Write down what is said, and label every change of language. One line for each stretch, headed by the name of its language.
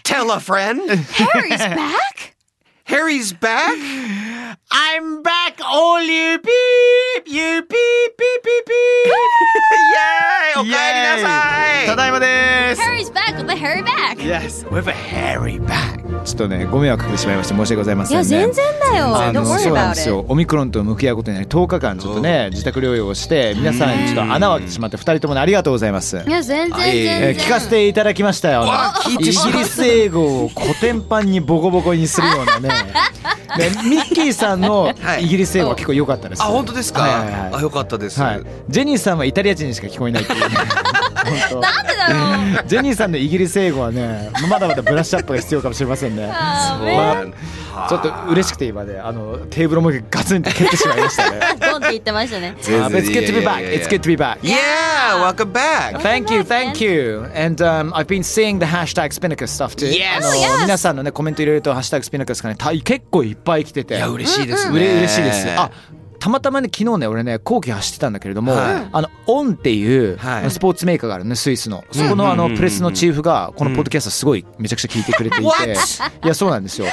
English: Tell a friend. Harry's back? I'm back, all you beep, you beep, beep, beep, beep.
Japanese: Yay! おかえりなさい。ただいまです。
English: Harry's back, with a hairy back. Yes, with a hairy back.
Japanese: ちょっとね、ご迷惑かけてしまいまして申し訳ございませんね。いや、全然だよ。
English: Don't worry about it.
Japanese: そうなんですよ。オミクロンと向き合うことになり、10日間ちょっとね、自宅療養をして、皆さんちょっと穴を開けてしまって、2人ともね、ありがとうございます。いや、全然。聞かせていただきましたよ。イギリス英語をコテンパンにボコボコにするようなね。でミッキーさんのイギリス英語は結構良かったです。あ、本当ですか。はいはいはい、あ、良かったです、はい、ジェニーさんはイタリア人にしか聞こえないっていう、ね、本当なんでだろう。ジェニーさんのイギリス英語はね、まだまだブラッシュアップが必要かもしれませんね。そう、まあ、ちょっと嬉しくて今ね、あのテーブルもガツンと蹴ってしまいましたね。ゴンって言ってましたね。
English: It's good to be back. It's good to be back. Yeah, welcome back. Thank you, thank you. And I've been seeing the hashtag Spinnaker stuff too. Yes. あの、 yes.
Japanese: 皆さんのねコメント入れるとハッシュタグ Spinnaker ですかね。結構いっぱい来てて。いや嬉しいですね。嬉しいです。あ、たまたまね昨日ね俺ね後期走ってたんだけれども、はい、あのオンっていう、はい、スポーツメーカーがあるねスイスの、そこのあのプレスのチーフがこのポッドキャストすごいめちゃくちゃ聞いてくれていて、いやそうなんですよ。